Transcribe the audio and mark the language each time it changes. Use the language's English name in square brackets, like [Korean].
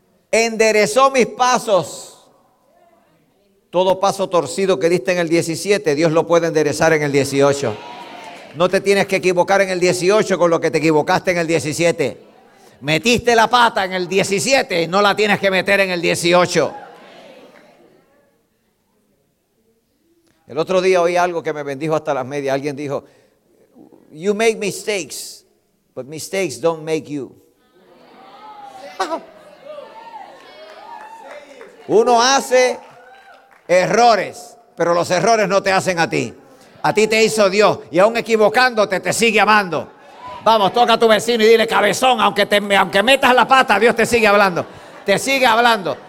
[Spanish] Enderezó mis pasos. Todo paso torcido que diste en el 17, Dios lo puede enderezar en el 18. No te tienes que equivocar en el 18 con lo que te equivocaste en el 17. Metiste la pata en el 17 y no la tienes que meter en el 18. El otro día oí algo que me bendijo hasta las medias. Alguien dijo: [English] you make mistakes, but mistakes don't make you. [Spanish] Uno hace errores, pero los errores no te hacen a ti. A ti te hizo Dios, y aún equivocándote te sigue amando. Vamos, toca a tu vecino y dile: cabezón, aunque metas la pata, Dios te sigue hablando. Te sigue hablando.